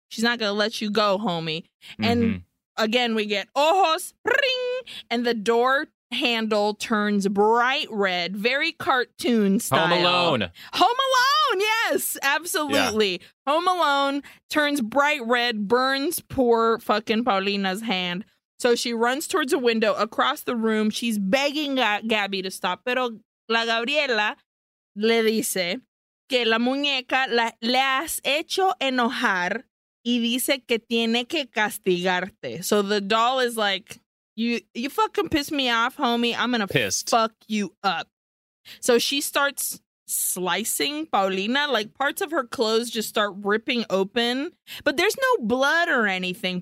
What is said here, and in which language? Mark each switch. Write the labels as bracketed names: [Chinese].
[English] She's not going to let you go, homie. And again, we get ojos, ring, and the door handle turns bright red, very cartoon style. Home Alone. Home Alone, yes, absolutely. Yeah. Home Alone turns bright red, burns poor fucking Paulina's hand. So she runs towards a window across the room. She's begging Gaby to stop. [Spanish] Pero la Gabriela le dice que la muñeca le has hecho enojar. Y dice que tiene que castigarte. [English] So the doll is like, you fucking piss me off, homie. I'm going to fuck you up. So she starts slicing Paulina. Like, parts of her clothes just start ripping open. But there's no blood or anything.